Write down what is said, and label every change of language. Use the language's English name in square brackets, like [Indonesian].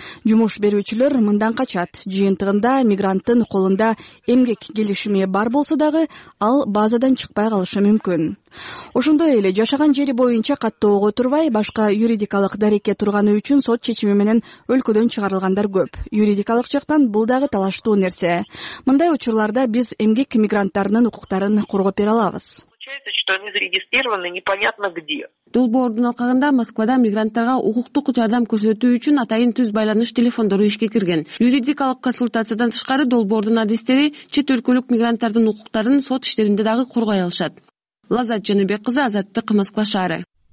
[Kyrgyz] Жумуш берүүчүлөр мындан качат. Жыйынтыгында мигранттын колунда эмгек келишими бар болсо дагы ал базадан чыкпай калышы мүмкүн. Ошондой эле жашаган жери боюнча каттоого турбай башка юридикалык дарекке турганы үчүн сот чечими менен өлкөдөн чыгарылгандар көп. Юридикалык жактан бул дагы талаштуу нерсе. Мындай учурларда биз эмгек мигранттарынын укуктарын коргоп бере алабыз. [Russian] получается, что они зарегистрированы непонятно где. [Kyrgyz] Долбоордун алкагында Москвада мигранттарга укуктук жардам көрсөтүү үчүн атайын түз байланыш телефондору ишке кирген. Юридикалык консультациядан тышкары долбоордун адистери чет өлкөлүк мигранттардын укуктарын сот иштеринде дагы коргой алышат. Лазат Жөнөбек кызы, Азаттык, Москва шаары.